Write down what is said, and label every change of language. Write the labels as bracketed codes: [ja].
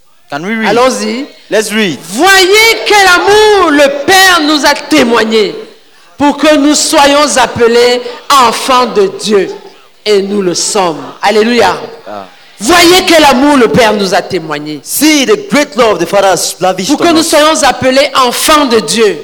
[en] Can we read? [fr] Allons-y. [en] Let's read. [fr] Voyez quel amour le Père nous a témoigné pour que nous soyons appelés enfants de Dieu. Et nous le sommes. Alléluia. Voyez quel amour le Père nous a témoigné. [en] See the great love the Father has lavished. [fr] Pour que nous soyons appelés enfants de Dieu.